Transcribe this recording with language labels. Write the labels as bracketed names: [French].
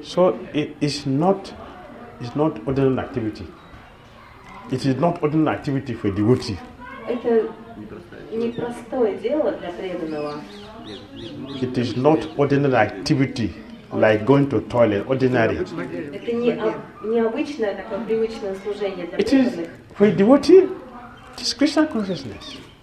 [English] So it's not ordinary activity. It is not ordinary activity for a devotee. [Russian] Это непростое дело для преданного. [English] It is not ordinary activity. Like going to toilet, ordinary. [Russian] Это необычное такое привычное служение для преданных. [English] It is for a devotee. It is Krishna consciousness.